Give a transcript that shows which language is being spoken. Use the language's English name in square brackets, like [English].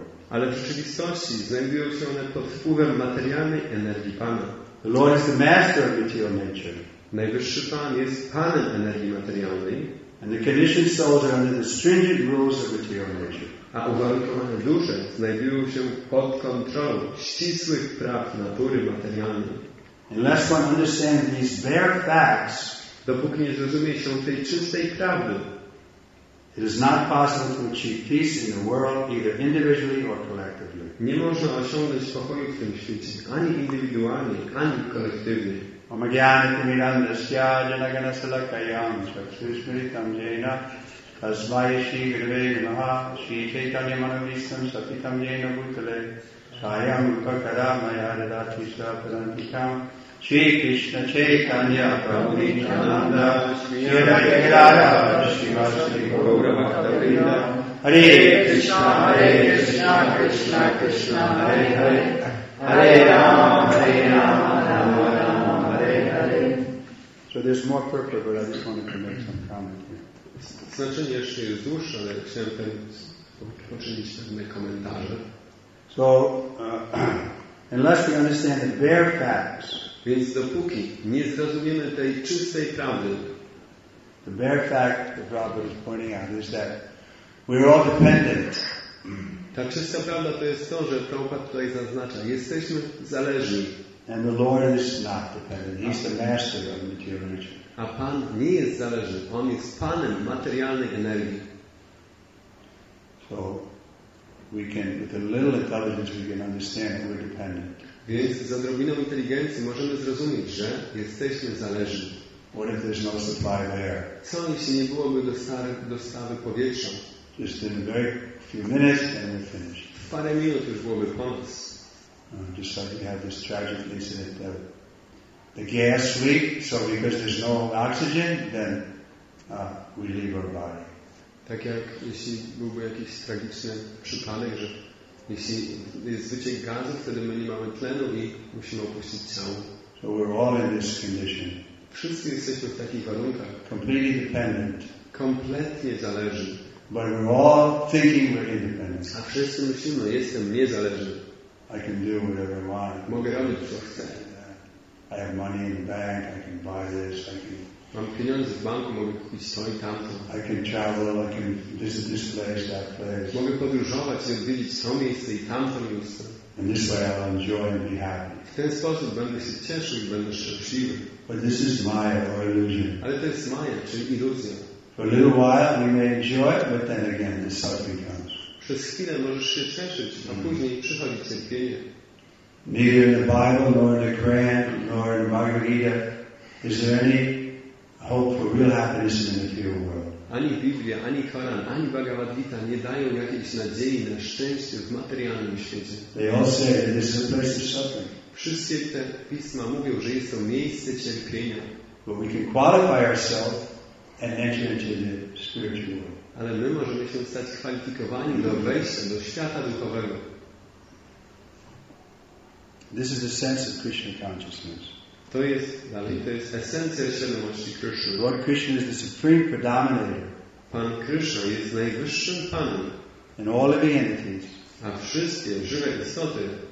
[Polish] Ale w rzeczywistości znajdują się one pod wpływem materialnej energii Pana. [English] The Lord is the master of material nature. [Polish] Najwyższy Pan jest Panem energii materialnej. [English] And the conditioned souls are under the stringent rules of material nature. [Polish] A uwarunkowane dusze znajdują się pod kontrolą ścisłych praw natury materialnej. [English] Unless one understands these bare facts, [Polish] dopóki nie zrozumie się tej czystej prawdy, [English] it is not possible to achieve peace in the world either individually or collectively. [Polish] Nie można osiągnąć spokoju w tym świecie ani indywidualnie, ani kolektywnie. [Sanskrit] Omagyana Timirandasya Janaganasala Kayam Chakshusmiritam Jena Kasvaya Shri Gurave Namaha Shri Chaitanya Manavisam Satitam Jena Bhutale Sayam Upakara Mayaradati Svapadantikam Shri Krishna Chaitanya Prabhu Nityananda Shri Radha Radha Shri Vasudeva Gaura Bhakta Vrinda Hare Krishna Hare Krishna Krishna Krishna Hare Hare Hare Rama Hare Rama Rama Rama Hare Hare. [English] So there's more purport, but I just wanted to make some comment here. [Polish] Znaczenie jeszcze jest dłuższe, ale chciałem poczynić pewne komentarze. [English] So, unless we understand the bare facts, [Polish] więc dopóki nie zrozumiemy tej czystej prawdy, [English] the bare fact that Prabhupada is pointing out is that we are all dependent. [Polish] Ta czysta prawda to jest to, że Prabhupada tutaj zaznacza, jesteśmy zależni. [English] And the Lord is not dependent. He's the master of material energy. [Polish] A Pan nie jest zależny. On jest Panem materialnej energii. [English] So we can, with a little intelligence, we can understand that we're dependent. [Polish] Więc z odrobiną inteligencji możemy zrozumieć, że jesteśmy zależni. [English] What if there's no supply of air? [Polish] Co jeśli nie byłoby dostawy powietrza? [English] Just in a very few minutes, and we're finished. [Polish] W parę minut już byłoby koniec. [English] Just like we had this tragic incident that the gas leak, so because there's no oxygen, then we leave our body. [Polish] Tak jak jeśli byłby jakiś tragiczny przypadek, że jeśli jest wyciek gazu, wtedy my nie mamy tlenu i musimy opuścić ciało. [English] So we're all in this condition. [Polish] Wszyscy jesteśmy w takich warunkach. [English] Completely dependent. [Polish] Kompletnie zależni. [English] But we're all thinking we're independent. [Polish] A wszyscy myślimy, jestem niezależny. [English] I can do whatever I want. [Polish] Mogę robić, co chcę. [English] I have money in the bank, I can buy this, I can... [Polish] Mam pieniądze w banku, mogę kupić to i tamto. [English] I can travel, I can visit this place, that place. [Polish] Mogę podróżować i odwiedzić to miejsce i tamto miejsce. [English] And this way I'll enjoy and be happy. [Polish] W ten sposób będę się cieszył i będę szczęśliwy. [English] But this is Maya or illusion. [Polish] Ale to jest Maya, czyli iluzja. [English] For a little while we may enjoy it, but then again the suffering comes. [Polish] Przez chwilę możesz się cieszyć, a później przychodzi cierpienie. [English] Neither in the Bible, nor in the Quran, nor in the Bhagavad Gita is there any hope for real happiness in the material world. [Polish] Ani Biblia, ani Koran, ani Bhagavad Gita nie dają jakiejś nadziei na szczęście w materialnym świecie. [English] They all say that this is a place of suffering. [Polish] Wszystkie te pisma mówią, że jest to miejsce cierpienia. [English] But we can qualify ourselves and enter into the spiritual world. [Polish] Ale my możemy się stać kwalifikowani do wejścia do świata duchowego. [English] This is the sense of Krishna consciousness. [Polish] To jest dalej, to jest esencja świadomości Krishna. [English] Lord Krishna is the supreme predominator. [Polish] Pan Krishna jest najwyższym panem. [English] And all living entities, [Polish] a wszystkie żywe istoty,